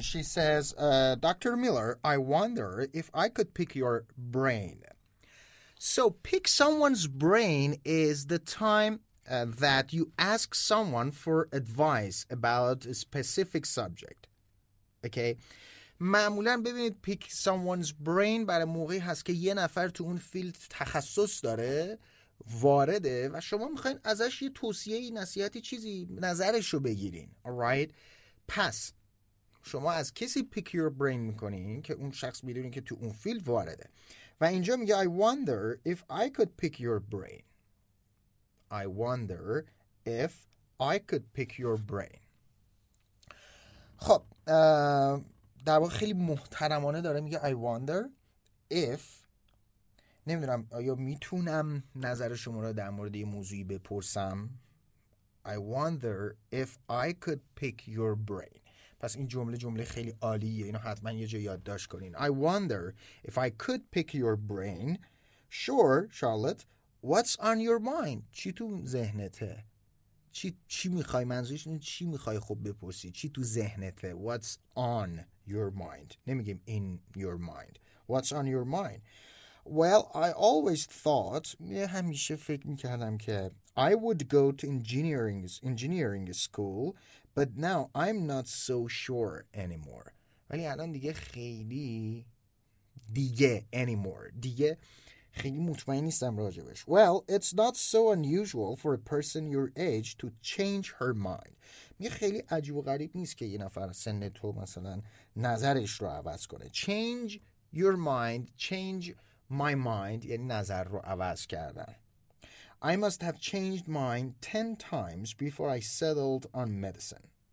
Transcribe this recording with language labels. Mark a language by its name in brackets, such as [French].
[English] She says, Dr. Miller, I wonder if I could pick your brain. So pick someone's brain is the time that you ask someone for advice about a specific subject. Okay? [Persian] معمولاً ببینید [English] pick someone's brain [Persian] برای موقعی هست که یه نفر تو اون فیلد تخصص داره وارده و شما میخواین ازش یه توصیه ای نصیحتی چیزی نظرشو بگیرین. [English] Alright? [Persian] پس شما از کسی pick your brain میکنین که اون شخص میدونین که تو اون فیلد وارده و اینجا میگه [English] I wonder if I could pick your brain. I wonder if I could pick your brain. [Persian] خب در واقع خیلی محترمانه داره میگه [English] I wonder if [Persian] نمیدونم آیا میتونم نظر شما رو در مورد یه موضوعی بپرسم. [English] I wonder if I could pick your brain. [Persian] پس این جمله جمله خیلی عالیه. اینو حتما یه جا یادداشت کنین. [English] I wonder if I could pick your brain. Sure, Charlotte. What's on your mind? [Persian] چی تو ذهنته؟ چی میخوای منظورش اینه چی میخوای خوب بپرسی؟ چی تو ذهنته؟ [English] What's on your mind? [Persian] نمیگیم [English] in your mind. What's on your mind? Well, I always thought, [Persian] یه همیشه فکر میکردم که [English] I would go to engineering school, but now I'm not so sure anymore. [Persian] ولی الان دیگه خیلی دیگه anymore. دیگه خیلی مطمئن نیستم راجبش. [English] Well, it's not so unusual for a person your age to change her mind. [Persian] می خیلی عجیب و غریب نیست که یه نفر سن تو مثلا نظرش رو عوض کنه. [English] Change your mind, change my mind, [Persian] یعنی نظر رو عوض کردن. [English] I must have changed mine 10 times before I settled on medicine.